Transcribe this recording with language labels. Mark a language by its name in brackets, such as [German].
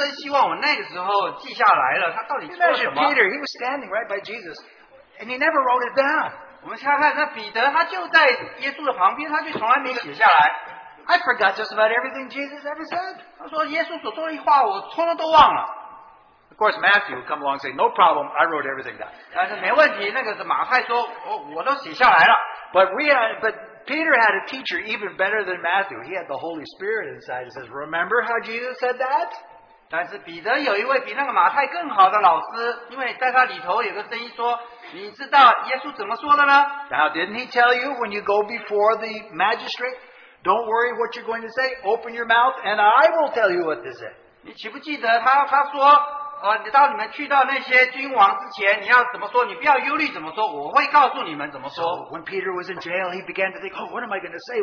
[Chinese] 有一天也许你会说啊，我真希望我那个时候记下来了，他到底说什么？ [English] Peter, he was standing right by Jesus, and he never wrote it down. [Chinese] 我们看看那彼得，他就在耶稣的旁边，他却从来没写下来。 [English] I forgot just about everything Jesus ever said. [Chinese] 他说耶稣所说的话，我通通都忘了。 [English] Of course, Matthew would come along and say, "No problem, I wrote everything down." [Chinese] 但是没问题，那个是马太说，我都写下来了。 [English] But Peter had a teacher even better than Matthew. He had the Holy Spirit inside. He says, remember how Jesus said that? Now, didn't he tell you when you go before the magistrate, don't worry what you're going to say, open your mouth, and I will tell you what to say. [Chinese] 你记不记得他说, 你到你们去到那些君王之前，你要怎么说？你不要忧虑怎么说，我会告诉你们怎么说。 [English] So when Peter was in jail, he began to think, "Oh, what am I going to say?